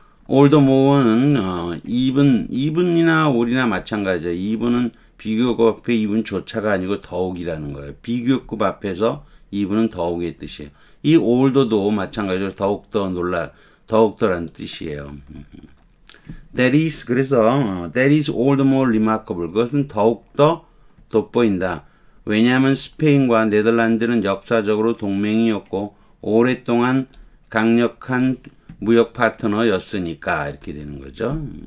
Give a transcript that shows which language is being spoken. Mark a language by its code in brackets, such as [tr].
[ko] All the more는 even이나 all이나 마찬가지죠. even은 비교급 앞에 even 조차가 아니고 더욱이라는 거예요. 비교급 앞에서 even은 더욱의 뜻이에요. 이 all the도 마찬가지로 더욱더 놀라 더욱더란 뜻이에요. [en] That is, [ko] 그래서, [en] that is all the more remarkable. [ko] 그것은 더욱더 돋보인다. 왜냐하면 스페인과 네덜란드는 역사적으로 동맹이었고, 오랫동안 강력한 무역 파트너였으니까, 이렇게 되는 거죠.